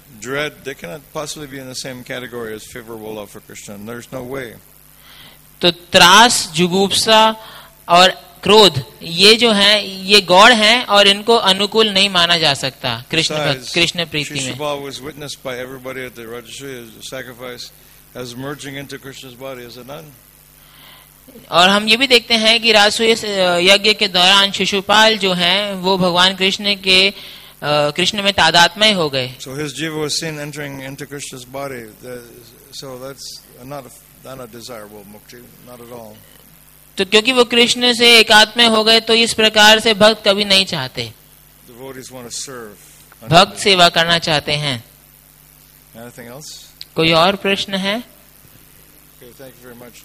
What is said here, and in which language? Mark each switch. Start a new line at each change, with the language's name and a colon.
English: Dread, they cannot possibly be in the same category as favorable love for Krishna. There's no way.
Hindi: तो त्रास, जुगुप्सा और क्रोध ये जो हैं ये गौण हैं और इनको अनुकूल नहीं माना जा सकता कृष्ण प्रीति में.
English: Shishupal was witnessed by everybody at the registry as a sacrifice as merging into Krishna's body as a nun.
Hindi: और हम ये भी देखते हैं कि राजसूय यज्ञ के दौरान शिशुपाल जो हैं वो भगवान कृष्ण के कृष्ण में तादात्म्य हो गए.
English: So his jiva was seen entering into Krishna's body. So that's not a desirable mukti, not at all.
Hindi: तो क्योंकि वो कृष्ण से एकात्म हो गए तो इस प्रकार से भक्त कभी नहीं चाहते.
English: Devotees want to serve.
Hindi: भक्त सेवा करना चाहते हैं.
English: Anything else?
Hindi: कोई और प्रश्न है?
English: Okay, thank you very much.